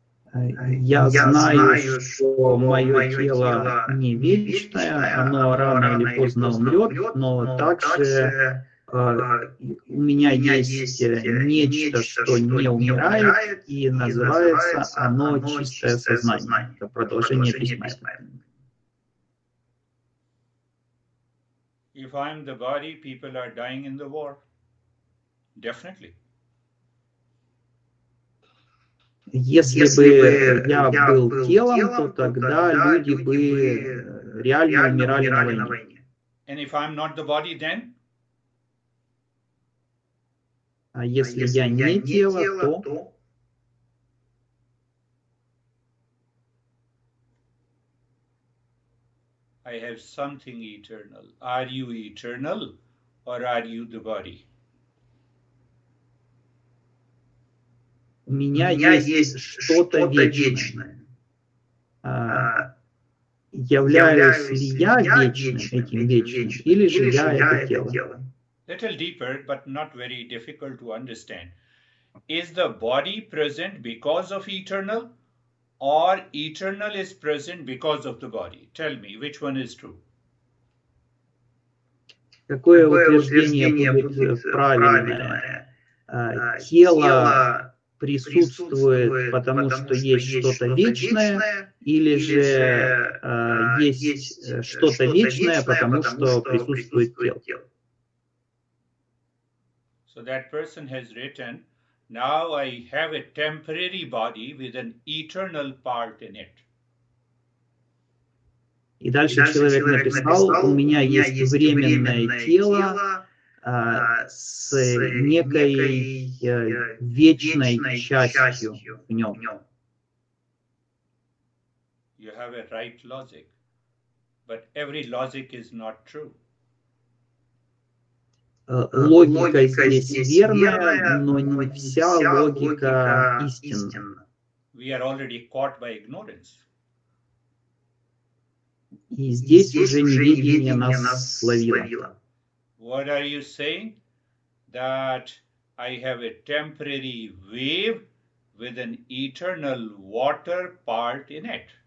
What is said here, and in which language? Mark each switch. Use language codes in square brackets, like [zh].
[ru] У меня есть нечто, что не умирает, и называется оно чистое сознание. Это продолжение письма. [en] If I'm the body, people are dying in the war. Definitely. [ru] Если бы я был телом, то тогда люди бы реально умирали на войне. [en] And if I'm not the body, then? [ru] А если я не тело, то... [en] I have something eternal. Are you eternal or are you the body? [ru] У меня есть что-то вечное. Являюсь ли я вечным этим вечным, или же я это тело? [en] Little deeper, but not very difficult to understand. Is the body present because of eternal, or eternal is present because of the body? Tell me, which one is true? [ru] Какое утверждение будет правильное? Тело присутствует, потому что есть что-то вечное, или же есть что-то вечное, потому что присутствует тело? [en] So that person has written, now I have a temporary body with an eternal part in it. [ru] И дальше человек написал, у меня есть временное тело с некой вечной частью в нем. [en] You have a right logic, but every logic is not true. [ru] Логика здесь верная, но не вся логика истинна. [en] We are already caught by ignorance. [ru] И здесь уже неведение нас словило. [en] What are you saying? That I have a temporary wave with an eternal water part in it.